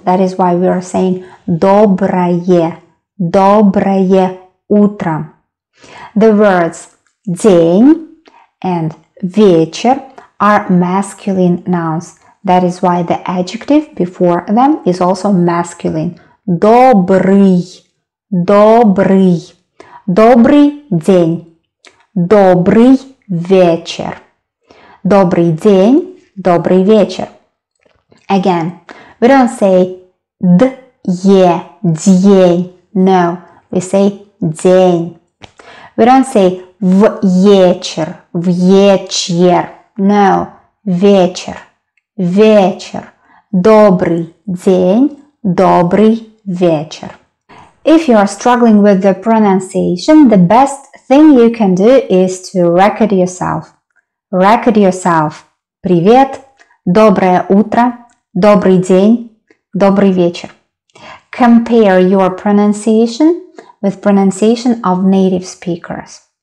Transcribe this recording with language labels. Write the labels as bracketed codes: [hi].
[en] That is why we are saying [ru] доброе. Доброе утро. [en] The words день and вечер are masculine nouns. That is why the adjective before them is also masculine. [ru] Добрый, добрый, добрый день, добрый вечер. Добрый день, добрый вечер. [en] Again, we don't say д'е, день. No, we say день. We don't say вечер, вечер. [ru] No, вечер, вечер. Добрый день, добрый вечер. [en] If you are struggling with the pronunciation, the best thing you can do is to record yourself. Record yourself. [ru] Привет, доброе утро, добрый день, добрый вечер. [en] Compare your pronunciation with pronunciation of native speakers.